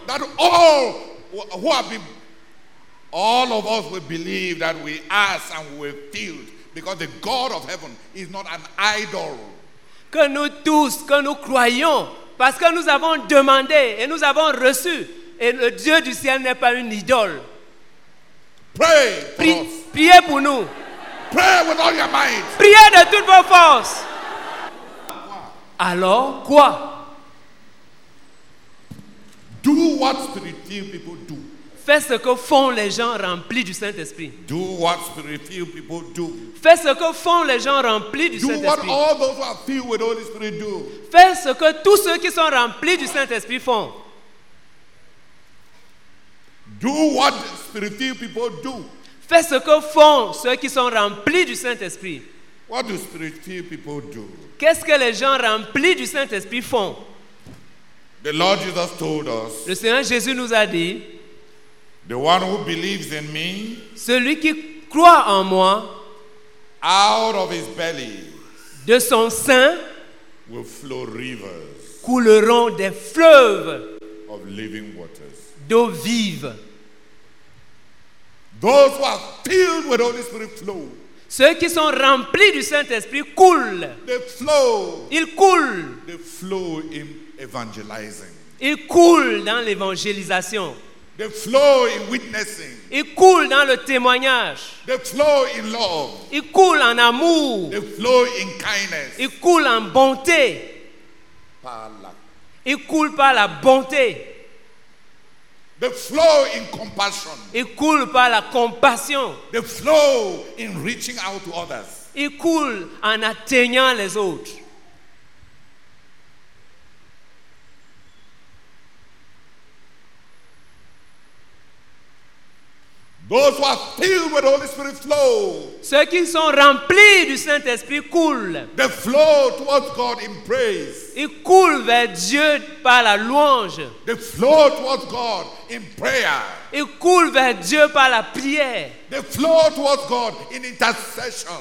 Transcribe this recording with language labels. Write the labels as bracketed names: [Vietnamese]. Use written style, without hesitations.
[English] That all who have been, all of us will believe that we ask and we will feel because the God of heaven is not an idol. [French] Que nous tous, que nous croyons, parce que nous avons demandé et nous avons reçu, et le Dieu du ciel n'est pas une idole. [English] Pray for us. [French] Priez pour nous. [English] Pray with all your might. [French] Priez de toutes vos forces. Alors, quoi? [English] Do what spiritual people do. [French] Fais ce que font les gens remplis du Saint-Esprit. [English] Do what spiritual people do. [French] Fais ce que font les gens remplis du [English] do [French] Saint-Esprit. [English] Do what all those who are filled with Holy Spirit do. [French] Fais ce que tous ceux qui sont remplis du Saint-Esprit font. [English] Do what spiritual people do. [French] Fais ce que font ceux qui sont remplis du Saint-Esprit. [English] What do spiritual people do? [French] Qu'est-ce que les gens remplis du Saint-Esprit font? [English] The Lord Jesus told us. [French] Le Seigneur Jésus nous a dit. [English] The one who believes in me, [French] celui qui croit en moi, [English] out of his belly, [French] de son sein, [English] will flow rivers, [French] couleront des fleuves, [English] of living waters, [French] d'eau vive. [English] Those who are filled with Holy Spirit flow. [French] Ceux qui sont remplis du Saint-Esprit coulent. [English] They flow. [French] Ils coulent. [English] They flow in evangelizing. [French] Ils coulent dans l'évangélisation. [English] They flow in witnessing. [French] Ils coulent dans le témoignage. [English] They flow in love. [French] Ils coulent en amour. [English] They flow in kindness. [French] Ils coulent en bonté. Ils coulent par la bonté. [English] They flow in compassion. [French] Ils coulent par la compassion. [English] They flow in reaching out to others. [French] Ils coulent en atteignant les autres. [English] Those who are filled with Holy Spirit flow. [French] Ceux qui sont remplis du Saint-Esprit coulent. [English] They flow towards God in praise. [French] Ils coulent vers Dieu par la louange. [English] They flow towards God in prayer. [French] Ils coulent vers Dieu par la prière. [English] They flow towards God in intercession.